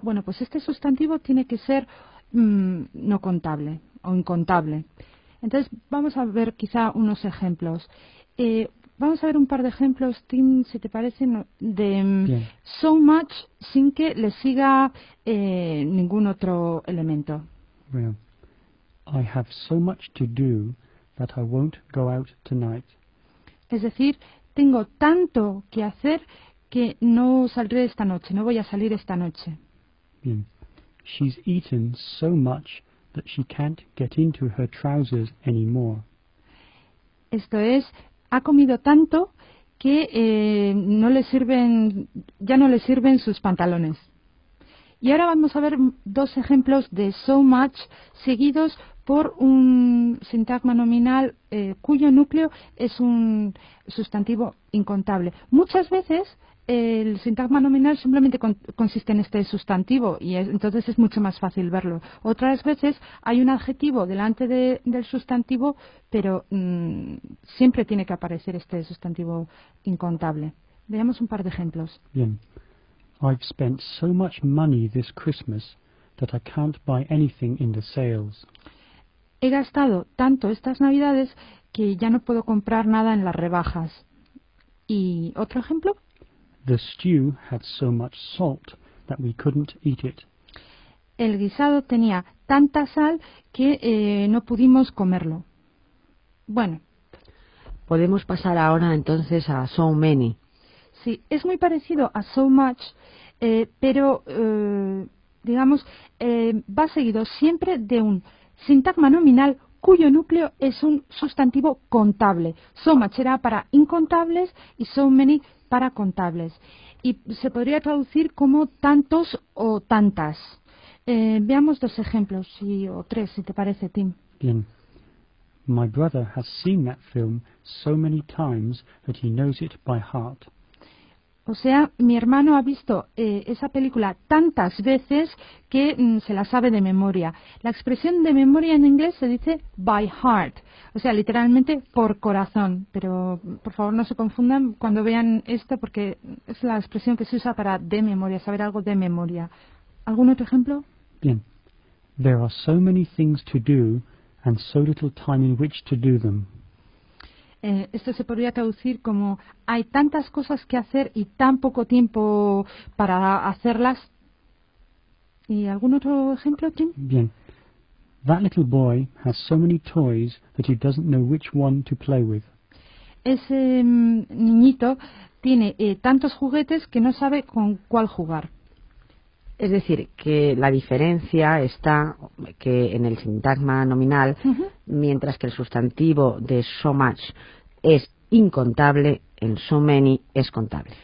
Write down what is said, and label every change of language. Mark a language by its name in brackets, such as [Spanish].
[Spanish] Bueno, pues este sustantivo tiene que ser no contable o incontable. Entonces, vamos a ver quizá unos ejemplos. Vamos a ver un par de ejemplos, Tim, si te parece, de Bien. So much sin que le siga ningún otro elemento. Bien. [English] I have so much to do that I won't go out tonight. [Spanish] Es decir, tengo tanto que hacer que no saldré esta noche, no voy a salir esta noche. Bien. [English] She's eaten so much that she can't get into her trousers anymore. [Spanish] Esto es... ha comido tanto que no le sirven sus pantalones. Y ahora vamos a ver dos ejemplos de so much seguidos por un sintagma nominal cuyo núcleo es un sustantivo incontable. Muchas veces el sintagma nominal simplemente consiste en este sustantivo y entonces es mucho más fácil verlo. Otras veces hay un adjetivo delante del sustantivo, pero siempre tiene que aparecer este sustantivo incontable. Veamos un par de ejemplos. Bien. [English] I've spent so much money this Christmas that I can't buy anything in the sales. [Spanish] He gastado tanto estas Navidades que ya no puedo comprar nada en las rebajas. ¿Y otro ejemplo? [English] The stew had so much salt that we couldn't eat it. [Spanish] El guisado tenía tanta sal que no pudimos comerlo. Bueno, podemos pasar ahora entonces a so many. Sí, es muy parecido a so much, pero digamos va seguido siempre de un sintagma nominal cuyo núcleo es un sustantivo contable. So much era para incontables y so many para contables. Y se podría traducir como tantos o tantas. Veamos dos ejemplos, o tres, si te parece, Tim. Bien. [English] My brother has seen that film so many times that he knows it by heart. [Spanish] O sea, mi hermano ha visto esa película tantas veces que se la sabe de memoria. La expresión de memoria en inglés se dice by heart, o sea, literalmente por corazón. Pero por favor no se confundan cuando vean esto porque es la expresión que se usa para de memoria, saber algo de memoria. ¿Algún otro ejemplo? Bien. [English] There are so many things to do and so little time in which to do them. [Spanish] Esto se podría traducir como hay tantas cosas que hacer y tan poco tiempo para hacerlas. ¿Y algún otro ejemplo, Tim? Bien. [English] That little boy has so many toys that he doesn't know which one to play with. [Spanish] Ese niñito tiene tantos juguetes que no sabe con cuál jugar. Es decir, que la diferencia está que en el sintagma nominal, mientras que el sustantivo de so much es incontable, en so many es contable.